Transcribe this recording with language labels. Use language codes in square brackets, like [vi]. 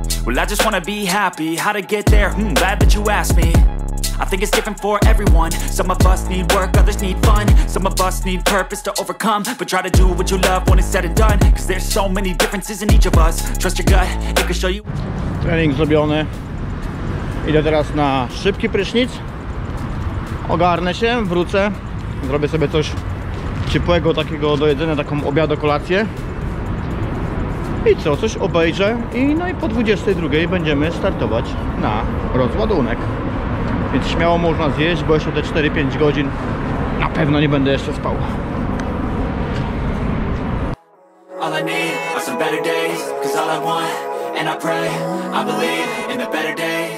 [en] Well, I just wanna be happy. How to get there? Glad that you asked me. I think it's different for everyone. Some of us need work, others need fun. Some of us need purpose to overcome. But try to do what you love when it's said and done. Cause there's so many differences in each of us. Trust your gut, it can show you. [pl] Trening zrobiony. Idę teraz na szybki prysznic, ogarnę się, wrócę, zrobię sobie coś ciepłego takiego do jedzenia, taką obiado-kolację i co, coś obejrzę i no i po 22 będziemy startować na rozładunek, więc śmiało można zjeść, bo jeszcze te 4-5 godzin na pewno nie będę jeszcze spał. [en] All I need are some better days, cause all I want and I pray, I believe in the better days.